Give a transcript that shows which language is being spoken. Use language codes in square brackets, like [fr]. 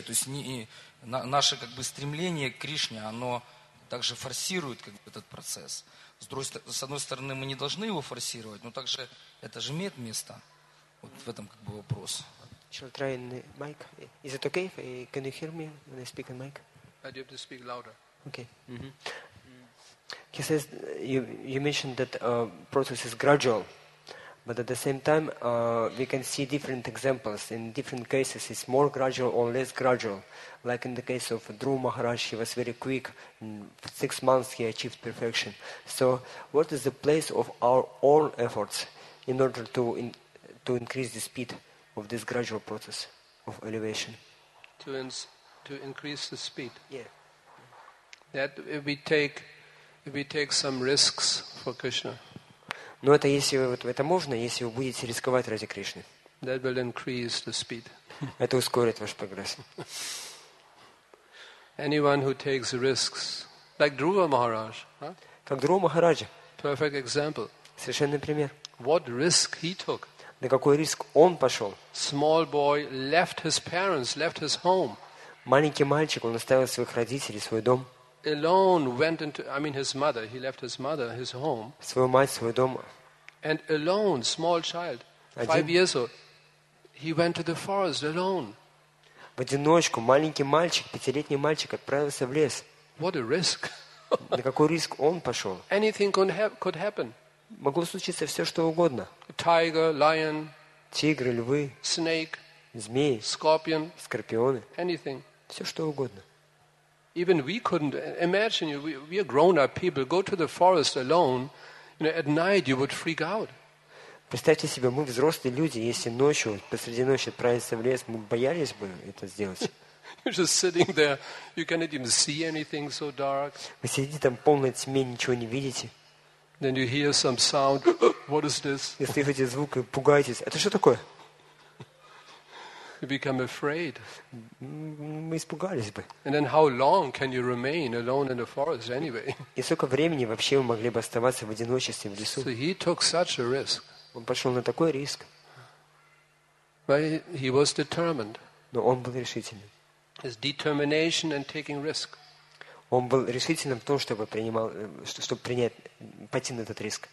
[ru] То есть наше как бы стремление к Кришне, оно также форсирует как бы, этот процесс. С одной стороны, мы не должны его форсировать, но также это же имеет место. Вот в этом как бы вопрос. [en] Shall I try in the mic? Is it okay? Can you hear me when I speak in the mic? I do have to speak louder. Okay. Mm-hmm. He says, you mentioned that process is gradual, but at the same time, we can see different examples. In different cases, it's more gradual or less gradual. Like in the case of Dhruva Maharaj, he was very quick. In 6 months, he achieved perfection. So what is the place of our own efforts in order to increase the speed of this gradual process of elevation? To increase the speed? Yeah. That if we take some risks for Krishna. [ru] Но это если вот это можно, если вы будете рисковать ради Кришны. [en] That will increase the speed. [ru] Это ускорит ваш прогресс. [en] Anyone who takes risks, like Dhruva Maharaj, huh? [ru] Как Dhruva Maharaj. [en] Perfect example. [ru] Совершенный пример. [en] What risk he took? [ru] На какой риск он пошел? [en] Small boy left his parents, left his home. [ru] Маленький мальчик, он оставил своих родителей, свой дом. [en] Alone went into, I mean his mother, he left his mother, his home. [ru] Свою мать, свой дом. [en] And alone, small child, [ru] один? [en] 5 years old, he went to the forest alone. [ru] В одиночку, маленький мальчик, 5-летний мальчик, отправился в лес. [en] What a risk. [ru] На какой риск он пошел? [en] Anything could happen. [ru] Могло случиться все, что угодно. [en] Tiger, lion, [ru] тигры, львы, [en] snake, [ru] змеи, [en] scorpion, [ru] скорпионы. [en] Anything. [ru] Все, что угодно. [en] Even we couldn't imagine, we are grown-up people, go to the forest alone, you know, at night you would freak out. [ru] Представьте себе, мы взрослые люди, если ночью, посреди ночи отправиться в лес, мы боялись бы это сделать. [en] You're just sitting there, you cannot even see anything so dark. [ru] Вы сидите там в полной тьме, ничего не видите. [en] Then you hear some sound. What is this? [ru] Вы слышите звук и пугаетесь. Это что такое? [en] You become afraid. [ru] Мы испугались бы. [en] And then how long can you remain alone in the forest anyway? [ru] И сколько времени вообще вы могли бы оставаться в одиночестве в лесу? [en] So he took such a risk. [ru] Он пошел на такой риск. [en] But he was determined. [ru] Но он был решительным. [en] His determination and taking risk. [ru] Он был решительным в том, чтобы принять, пойти на этот риск.